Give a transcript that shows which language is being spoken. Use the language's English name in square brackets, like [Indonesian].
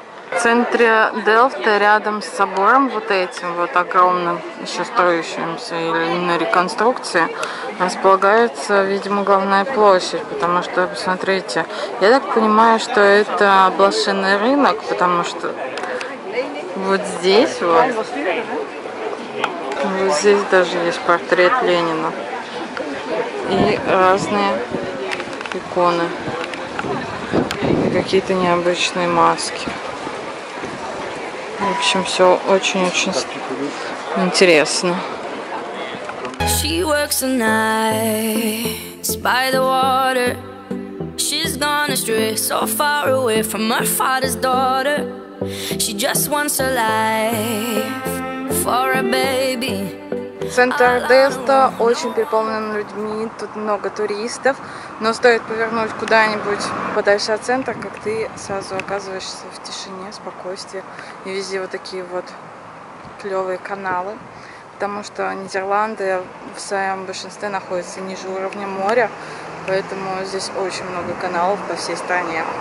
[Russian] В центре Делфта, рядом с собором вот этим, вот огромным, еще строящимся или на реконструкции, располагается, видимо, главная площадь, потому что, посмотрите, я так понимаю, что это блошиный рынок, потому что вот здесь вот, даже есть портрет Ленина и разные иконы, и какие-то необычные маски. В общем, все очень-очень интересно. [English] She works at night by the water. She's gone astray so far away from her father's daughter. She just wants her life for a baby. [Russian] Центр Делфта очень переполнен людьми, тут много туристов, но стоит повернуть куда-нибудь подальше от центра, как ты сразу оказываешься в тишине, спокойствии, и везде вот такие вот клевые каналы, потому что Нидерланды в своем большинстве находятся ниже уровня моря, поэтому здесь очень много каналов по всей стране.